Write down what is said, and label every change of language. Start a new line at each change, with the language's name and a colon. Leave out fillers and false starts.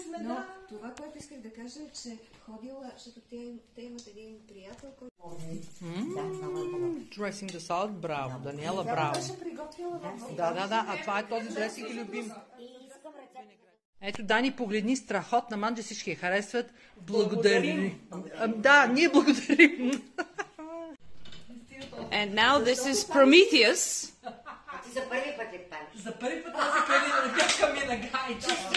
Bulgarian: Но това, което исках да кажа, е, че ходила, защото те имат един приятел, който... Дресинг да салат, браво, Даниела, браво. Беше приготвила вас. Да, а това е този дресинг и любим. Ето, Дани, погледни, страхотна манджа, всички я харесват. Благодарим. Да, ние благодарим.
English: And now this is Prometheus.
Bulgarian: За първи път е пан. За първи път аз се кърли на гайче.